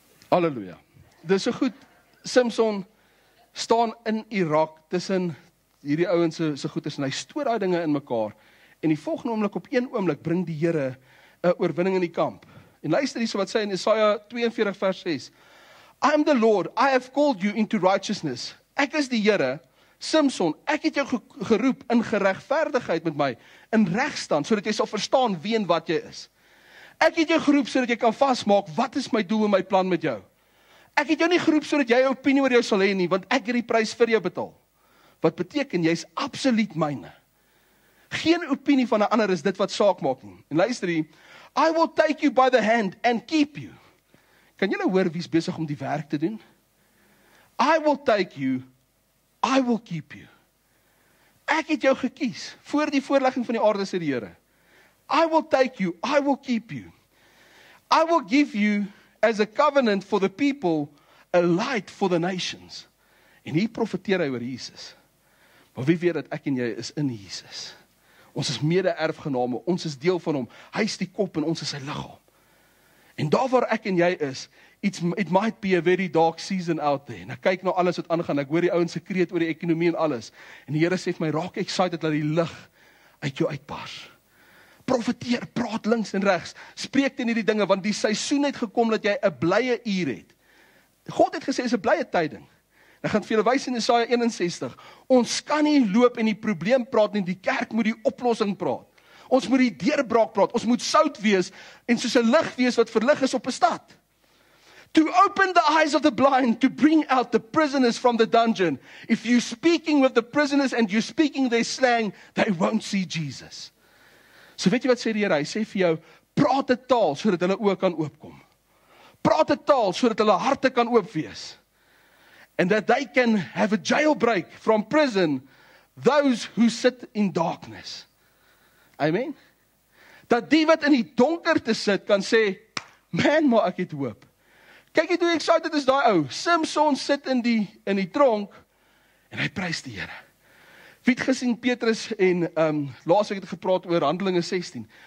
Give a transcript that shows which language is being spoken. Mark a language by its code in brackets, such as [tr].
[af] Halleluja. Dis so goed, Samson staan in Irak tussen hierdie ouens se goeders en hy stoor daai dinge in mekaar en die volgende oomblik op een oomblik bring die Here 'n oorwinning in die kamp. En luister hierso wat sê in Jesaja 42 vers 6. [en] I am the Lord, I have called you into righteousness. [af] Ek is die Here, Samson, ek het jou geroep in geregtigheid met my, in regstand sodat jy sal verstaan wie en wat jy is. Ek het jou geroep sodat jy kan vasmaak wat is my doel en my plan met jou. Ek het jou nie geroep sodat jy 'n opinie oor jou sal hê nie, want ek het die prys vir jou betaal. Wat beteken jy's absoluut myne. Geen opinie van 'n ander is dit wat saak maak nie. En luister hier, [en] I will take you by the hand and keep you. [af] Kan jy nou hoor wie's besig om die werk te doen? [en] I will take you, I will keep you. [af] Ek het jou gekies voor die voorlegging van die aarde se die Here. [en] I will take you, I will keep you. I will give you as a covenant for the people, a light for the nations. [af] En hier profeteer hy oor Jesus. Maar wie weet dat ek en jy is in Jesus. Ons is mede-erfgename, ons is deel van hom. Hy is die kop en ons is sy liggaam. En daar waar ek en jy is, [en] it might be a very dark season out there. [af] En ek kyk na alles wat aangaan, ek hoor die ouens se kreet oor die ekonomie en alles. En die Here sê vir my, raak excited dat die lig uit jou uitbars. Profeteer, praat links en regs. Spreek teen hierdie dinge, want die seisoen het gekom dat jy 'n blye uur het. God het gesê, is 'n blye tyding. Ek gaan vir julle wys in Jesaja 61. Ons kan nie loop en die probleem praat nie. Die kerk moet die oplossing praat. Ons moet die deurbraak praat. Ons moet sout wees en soos 'n lig wees wat verlig is op 'n stad. [en] To open the eyes of the blind, to bring out the prisoners from the dungeon. If you speaking with the prisoners and you speaking their slang, they won't see Jesus. [af] So weet jy wat sê die Here? Hy sê vir jou, praat 'n taal sodat hulle oë kan oopkom. Praat 'n taal sodat hulle harte kan oop wees. [en] And that they can have a jailbreak from prison, those who sit in darkness. Amen? [af] Dat die wat in die donkerte sit, kan sê, man, maar ek het hoop. Kyk net hoe excited is daai ou. Samson sit in die tronk, en hy prys die Here. Wie het gesien Petrus en laas ek het gepraat oor Handelinge 16.